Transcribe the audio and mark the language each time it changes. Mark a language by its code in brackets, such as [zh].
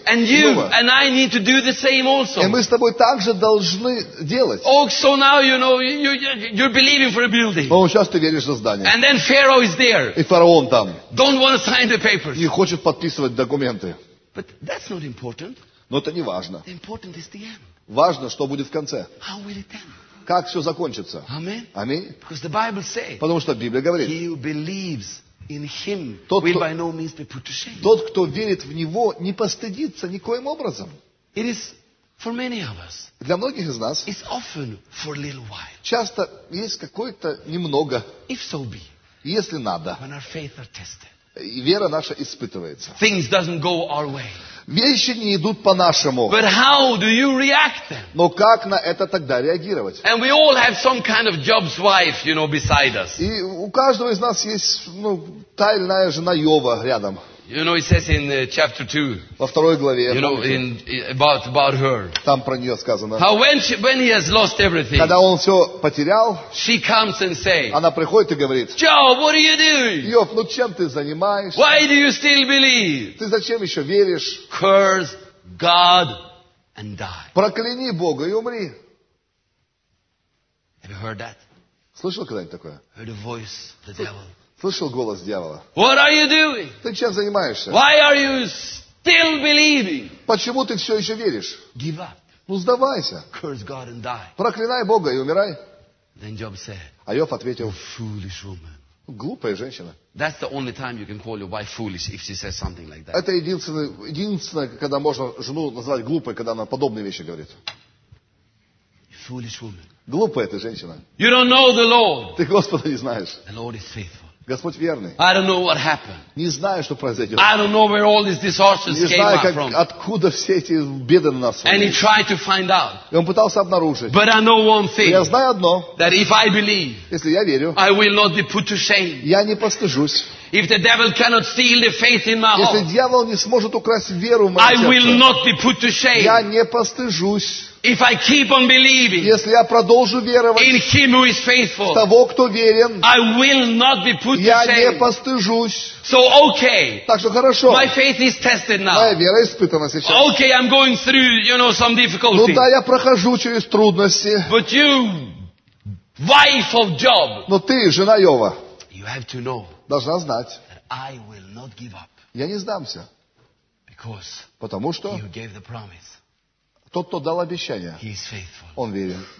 [en] And you and I need to do the same also. [ru] И мы с тобой также должны делать. [en] Oh, so now you know you're believing for a building. [ru] Ну, сейчас ты веришь за здание. [en] And then Pharaoh is there. [ru] И фараон там. [en] Don't want to sign the papers. [ru] Не хочет подписывать документы. [en] But that's not important. [ru] Но это не важно. [en] The important is the end. [ru] Важно, что будет в конце. [en] How will it end? [ru] Как все закончится? Аминь. Аминь. [en] Because the Bible say, [ru] потому что Библия говорит, [en] he who believes in him will by no means be put to shame. [ru] Тот, кто верит в него, не постыдится никоим образом. [en] It is for many of us. [ru] Для многих из нас. [en] It's often for a little while. [ru] Часто есть какое-то немного. [en] If so be. [ru] Если надо. [en] When our faith are tested. [ru] И вера наша испытывается. [en] Things doesn't go our way. [ru] Вещи не идут по-нашему. [en] But how do you react then? [ru] Но как на это тогда реагировать? [en] And we all have some kind of Job's wife, you know, beside us. [ru] И у каждого из нас есть, ну, та или иная жена Йова рядом. [en] You know, it says in chapter 2. [ru] Во второй главе. [en] You know, about her. [ru] Там про нее сказано. [en] How when he has lost everything. [ru] Когда он все потерял. [en] She comes and say. [ru] Она приходит и говорит. [en] Job, what are you doing? [ru] Йов, ну чем ты занимаешься? [en] Why do you still believe? [ru] Ты зачем еще веришь? [en] Curse God and die. [ru] Прокляни Бога и умри. [en] Have you heard that? [ru] Слышал когда-нибудь такое? [en] Heard a voice of the devil. [ru] Слышал голос дьявола? [en] What are you doing? [ru] Ты чем занимаешься? [en] Why are you still believing? [ru] Почему ты все еще веришь? [en] Give up. [ru] Ну сдавайся. [en] Curse God and die. [ru] Проклинай Бога и умирай. [en] Then Job said, [ru] а Йов ответил, [en] foolish woman. [ru] Глупая женщина. [en] That's the only time you can call your wife foolish if she says something like that. [ru] Это единственное, когда можно жену назвать глупой, когда она подобные вещи говорит. [en] Foolish woman. [ru] Глупая эта женщина. [en] You don't know the Lord. [ru] Ты Господа не знаешь. [en] The Lord is faithful. [ru] Господь верный. [en] I don't know what happened. [ru] Не знаю, что произойдет. [en] I don't know where all these disasters [ru] не знаю, [en] came [ru] как, [en] from. [ru] Откуда все эти беды на нас. [en] And he tried to find out. [ru] И он пытался обнаружить. [en] But I know one thing, [ru] я знаю одно. [en] That if I believe, [ru] если я верю, [en] I will not be put to shame. [ru] Я не постыжусь. [en] If the devil cannot steal the faith in my heart, [ru] если дьявол не сможет украсть веру в мое сердце, [en] I will not be put to shame. [ru] Я не постыжусь. [en] If I keep on believing, [ru] если я продолжу веровать [en] in him who is faithful, [ru] в того, кто верен, [en] I will not be put to shame. [ru] Я не постыжусь. [en] So, okay, [ru] так что хорошо. [en] My faith is tested now. [ru] Моя вера испытана сейчас. [en] Okay, I'm going through, you know, some difficulties. [ru] Ну да, я прохожу через трудности. [en] But you, wife of Job, [ru] но ты, жена Йова, [en] you have to know, [ru] должна знать, [en] that I will not give up, [ru] я не сдамся. [en] Because [ru] потому что [en] you gave the promise. [ru] Тот, кто дал обещание, он верен.